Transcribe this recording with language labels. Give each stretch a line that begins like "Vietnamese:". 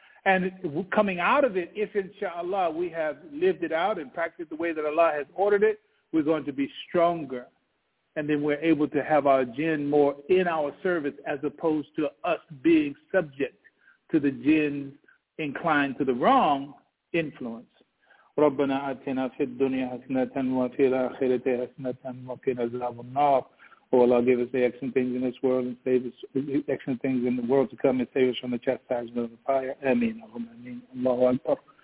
English: And coming out of it, if inshallah we have lived it out and practiced the way that Allah has ordered it, we're going to be stronger. And then we're able to have our jinn more in our service as opposed to us being subject to the jinn inclined to the wrong influence.
Arabic: ربنا آتنا في الدنيا حسنة وفي الآخرة حسنة وقنا عذاب النار.
English: Oh Allah, give us the excellent things in this world and save us the excellent things in the world to come and save us from the chastisement of the fire. Ameen. Ameen. Allahu Akbar.